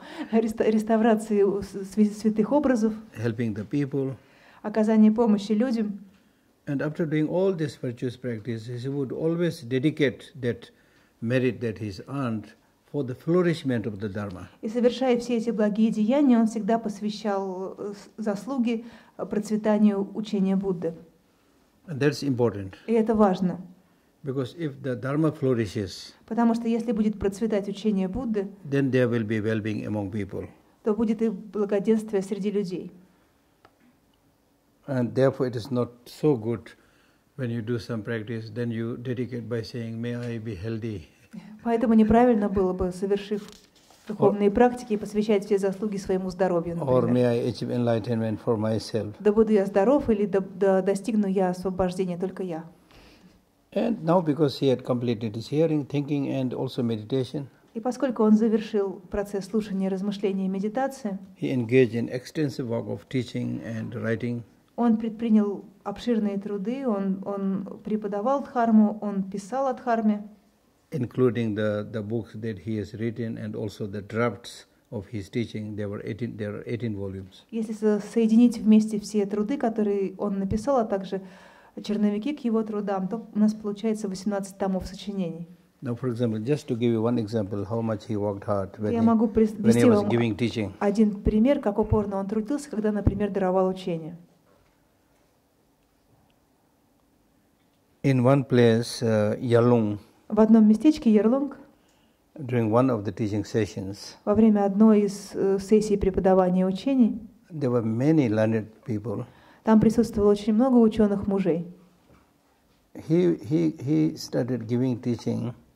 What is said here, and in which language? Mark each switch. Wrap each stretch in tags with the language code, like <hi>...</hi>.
<ru>реставрации святых образов,</ru> <en>helping the people,</en> <ru>оказание помощи людям.</ru> <en>And after doing all these virtuous practices, he would always dedicate that merit that he's earned for the flourishment of the Dharma.</en> <ru>И совершая все эти благие деяния, он всегда посвящал заслуги процветанию учения Будды.</ru> <en>And that's important.</en> <ru>И это важно.</ru> <en>Because if the Dharma flourishes,</en> <ru>потому что если будет процветать учение Будды,</ru> <en>then there will be well-being among people.</en> <ru>То будет и благоденствие среди людей.</ru> <en>And therefore, it is not so good when you do some practice, then you dedicate by saying, "May I be healthy."</en> <ru>Поэтому неправильно было бы, совершив духовные практики, посвящать все заслуги своему здоровью.</ru> <en>Or may I achieve enlightenment for myself?</en> <ru>Да буду я здоров или да достигну я освобождения только я.</ru> <en>And now, because he had completed his hearing, thinking, and also meditation.</en> <ru>И поскольку он завершил процесс слушания, размышления и медитации.</ru> <en>He engaged in extensive work of teaching and writing.</en> <ru>Он предпринял обширные труды, он преподавал дхарму, он писал о дхарме.</ru> <en>Including the books that he has written and also the drafts of his teaching, there are 18 volumes.</en> <ru>Если соединить вместе все труды, которые он написал, а также черновики к его трудам, то у нас получается 18 томов сочинений.</ru> <en>Now, for example, just to give you one example, how much he worked hard when he was giving teaching.</en> <ru>Один пример, как упорно он трудился, когда, например, даровал учение.</ru> <en>In one place, Yalung.</en> <ru>В одном местечке Ярлунг.</ru> <en>During one of the teaching sessions.</en> <ru>Во время одной из сессий преподавания учений.</ru> <en>There were many learned people.</en> <ru>Там присутствовало очень много ученых мужей.</ru> <en>He started giving teaching.</en>